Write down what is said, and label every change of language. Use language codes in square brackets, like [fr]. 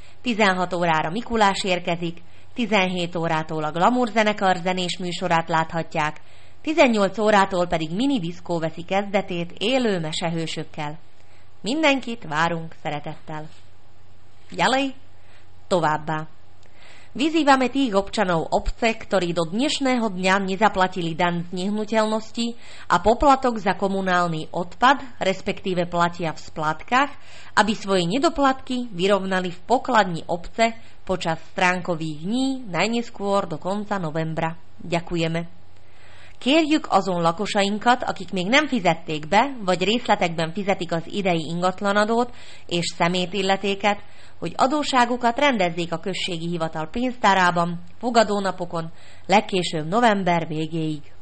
[hu] 16 órára Mikulás érkezik, 17 órától a Glamour zenekar zenés műsorát láthatják, 18 órától pedig mini diszkó veszi kezdetét élő mesehősökkel. Mindenkit várunk szeretettel. Jalej, továbbá. [sk] Vyzývame tých občanov obce, ktorí do dnešného dňa nezaplatili daň z nehnuteľnosti a poplatok za komunálny odpad, respektíve platia v splátkach, aby svoje nedoplatky vyrovnali v pokladni obce počas stránkových dní najneskôr do konca novembra. Ďakujeme. [hu] Kérjük azon lakosainkat, akik még nem fizették be, vagy részletekben fizetik az idei ingatlanadót és szemétilletéket, hogy adósságukat rendezzék a községi hivatal pénztárában, fogadónapokon, legkésőbb november végéig.